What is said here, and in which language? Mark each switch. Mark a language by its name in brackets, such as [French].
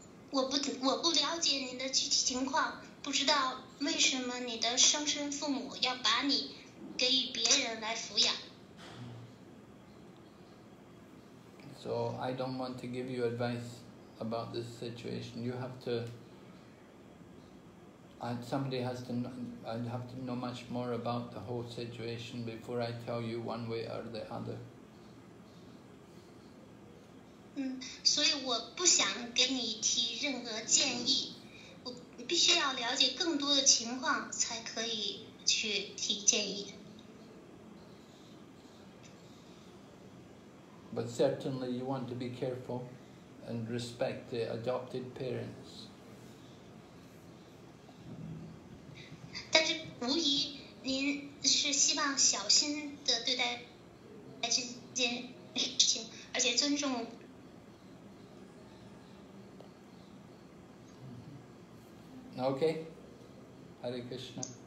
[Chinese] 我不了解您的具体情况，不知道为什么你的生身父母要把你给予别人来抚养？ [English] So I don't want to give you advice about this situation. You have to. Somebody has to. I'd have to know much more about the whole situation before I tell you one way or the other. [Chinese] 嗯，所以我不想给你提任何建议，我必须要了解更多的情况才可以去提建议。 [English] But certainly you want to be careful and respect the adopted parents. [Chinese] 但是无疑您是希望小心的对待这件事情，而且尊重。 [English] Okay, Hare Krishna.